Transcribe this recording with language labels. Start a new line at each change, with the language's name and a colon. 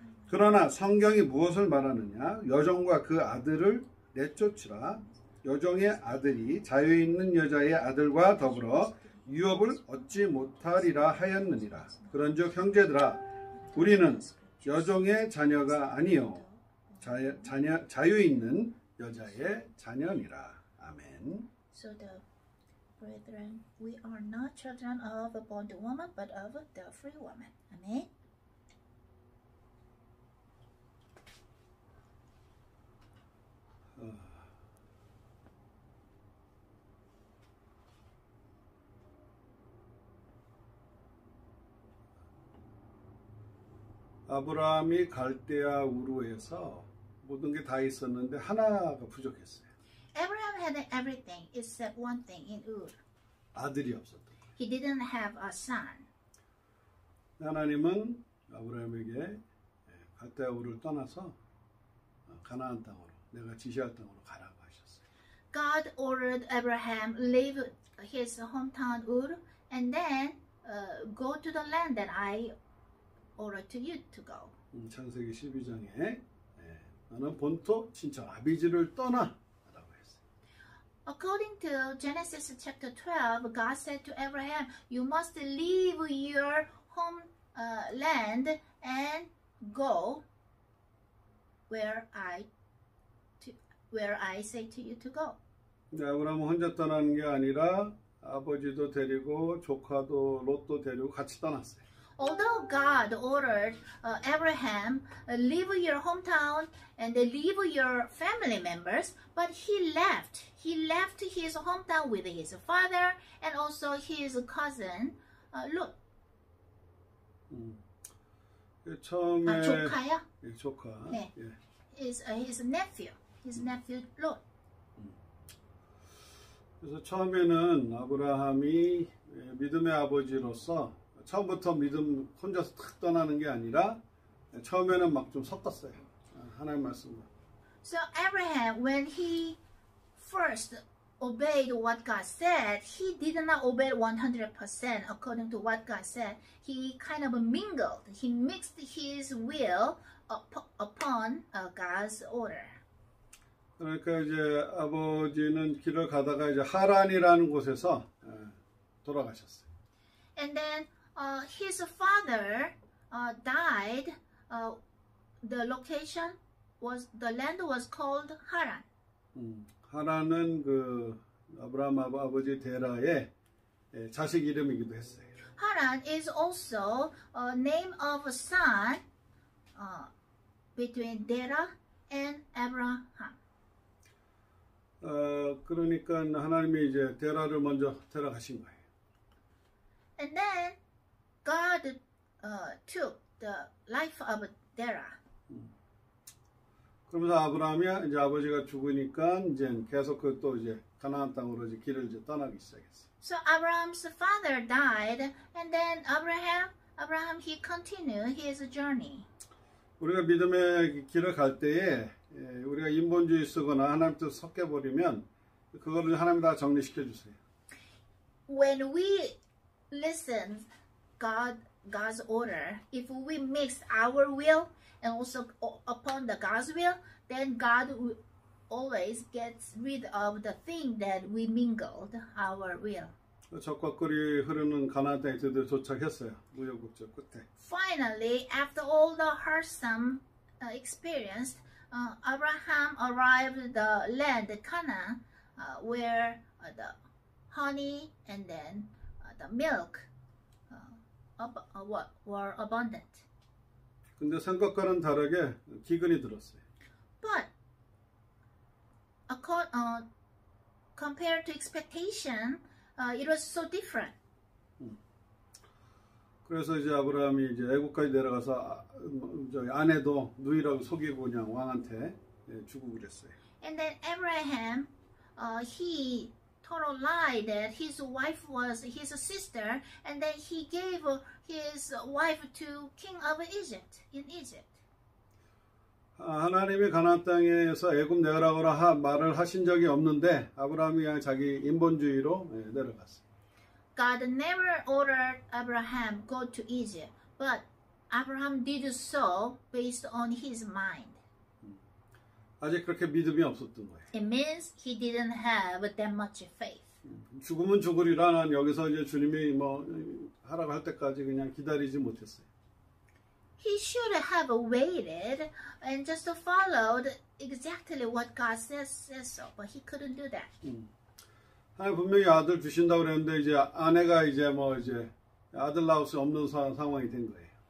Korean: 그러나 성경이 무엇을 말하느냐 여종과 그 아들을 내쫓으라 여종의 아들이 자유 있는 여자의 아들과 더불어 유업을 얻지 못하리라 하였느니라 그런즉 형제들아 우리는 여종의 자녀가 아니요 자유 있는 여자의 자녀니라. 아멘.
English: So the brethren, we are not children of a bond woman, but of the free woman.
Korean: 아멘. 아브라함이 갈대아 우르에서 모든 게 다 있었는데 하나가 부족했어요.
English: Abraham had everything except one thing in Ur.
Korean: 아들이 없었던 거예요.
English: He didn't have a son.
Korean: 하나님은 아브라함에게 갈대아 우르를 떠나서 가나안 땅으로 내가 지시할 땅으로 가라고 하셨어요.
English: God ordered Abraham leave his hometown Ur and then go to the land that I order to you to go.
Korean: 창세기 12장에 나는 본토 친척 아비지를 떠나라고 했어요.
English: According to Genesis chapter 12, God said to Abraham, "You must leave your home land and go where I say to you to go."
Korean: 아브라함은 혼자 떠나는 게 아니라 아버지도 데리고 조카도 롯도 데리고 같이 떠났어요.
English: Although God ordered Abraham leave your hometown and leave your family members, but he left his hometown with his father and also his cousin Lot.
Korean: 처음에 조카야? 예, 조카. 네. 예.
English: His nephew Lot.
Korean: 그래서 처음에는 아브라함이 믿음의 아버지로서 처음부터 믿음 혼자서 탁 떠나는 게 아니라 처음에는 막 좀 섞었어요. 하나님 말씀으로.
English: So Abraham, when he first obeyed what God said, he did not obey 100% according to what God said. He kind of mingled. He mixed his will upon God's order.
Korean: 그러니까 이제 아버지는 길을 가다가 이제 하란이라는 곳에서 돌아가셨어요.
English: And then his father died. The location was the land was called Haran.
Korean: Haran은 그 아브라함 아버지 데라의 자식 이름이기도 했어요.
English: Haran is also a name of a son between Dera and Abraham.
Korean: 그러니까 하나님이 이제 데라를 먼저 데려가신 거예요.
English: And then God took the life of Dera.
Korean: 그러면서 아브라함이 이제 아버지가 죽으니까 이제 계속 그 또 이제 가나안 땅으로 이제 길을 이제 떠나기 시작했어.
English: So Abraham's father died, and then Abraham he continued his journey.
Korean: 우리가 믿음의 길을 갈 때에 우리가 인본주의 쓰거나 하나님 뜻 섞여 버리면 그거를 하나님 다 정리시켜 주세요.
English: When we listen God's order, if we mix our will and also upon the God's will, then God always gets rid of the thing that we mingled our will.
Korean: 적과 꿀이 흐르는 가나안 땅에 드디어 도착했어요. 무역국적 끝에.
English: Finally, after all the wholesome experience, Abraham arrived the land Canaan, where the honey and then the milk were abundant.
Korean: 근데 생각과는 다르게 기근이 들었어요.
English: But compared to expectation, it was so different.
Korean: 그래서 이제 아브라함이 이제 애굽까지 내려가서 아내도 누이라고 속이고 그냥 왕한테 주고 그랬어요.
English: And then Abraham, he told a lie that his wife was his sister, and then he gave his wife to king of Egypt in Egypt.
Korean: 하나님이 가나안 땅에서 애굽 내려가라 말을 하신 적이 없는데 아브라함이 그냥 자기 인본주의로 내려갔어요.
English: God never ordered Abraham go to Egypt, but Abraham did so based on his mind.
Korean: 아직 그렇게 믿음이 없었던 거예요.
English: It means he didn't have that much faith.
Korean: 죽으면 죽으리라 난 여기서 이제 주님이 뭐 하라고 할 때까지 그냥 기다리지 못했어요.
English: He should have waited and just followed exactly what God says so, but he couldn't do that.
Korean: 아니 분명히 아들 주신다고 그랬는데 이제 아내가 이제 뭐 이제 아들 낳을 수 없는 상황이 된 거예요.